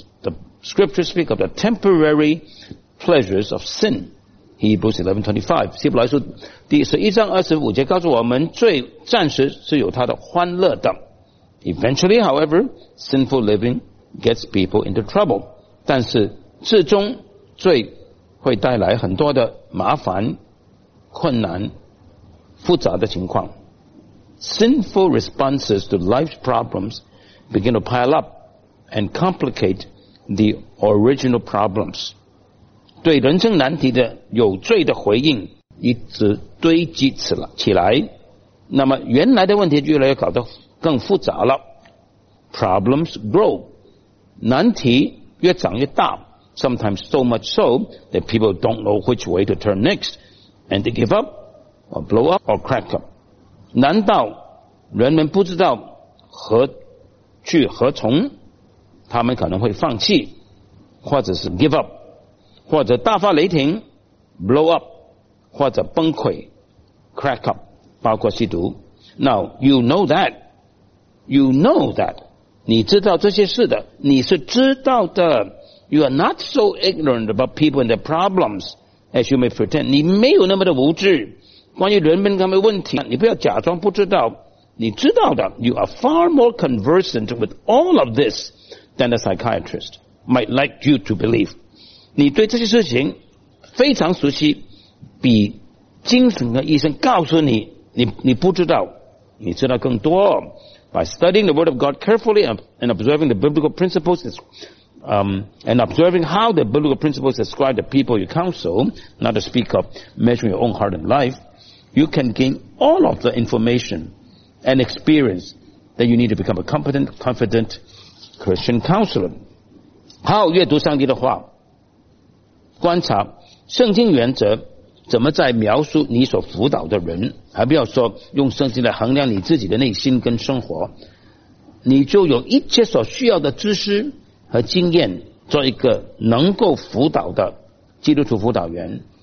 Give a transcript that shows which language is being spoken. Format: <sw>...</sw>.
<en>The scriptures speak of the temporary pleasures of sin.</en> <zh>Hebrews 11:25, 希伯来书第11章25节告诉我们，罪暂时是有它的欢乐的。</zh> <en>Eventually, however, sinful living gets people into trouble.</en> <zh>但是最终罪会带来很多的麻烦、困难、复杂的情况。</zh> <en>Sinful responses to life's problems begin to pile up and complicate the original problems.</en> <zh>对人生难题的有罪的回应一直堆积起来，那么原来的问题越来越搞得更复杂了。</zh> <en>Problems grow,</en> <zh>难题越长越大，</zh> <en>sometimes so much so that people don't know which way to turn next, and they give up or blow up or crack up.</en> <zh>难道人们不知道何去何从，他们可能会放弃或者是 give up，或者大发雷霆 blow up, 或者崩溃 crack up, 包括吸毒。</zh> <en>Now, you know that,</en> <zh>你知道这些事的，你是知道的。</zh> <en>You are not so ignorant about people and their problems as you may pretend.</en> <zh>你没有那么的无知关于人们他们的问题，你不要假装不知道，你知道的。</zh> <en>You are far more conversant with all of this than a psychiatrist might like you to believe.</en> <zh>你对这些事情非常熟悉，比精神的医生告诉你，你不知道，你知道更多。</zh> <en>By studying the word of God carefully and observing the biblical principles And observing how the biblical principles describe the people you counsel, not to speak of measuring your own heart and life, you can gain all of the information and experience that you need to become a competent, confident Christian counselor.</en> <zh>好，阅读上帝的话，观察圣经原则怎么在描述你所辅导的人，还不要说用圣经来衡量你自己的内心跟生活，你就有一切所需要的知识和经验做一个能够辅导的基督徒辅导员。</zh>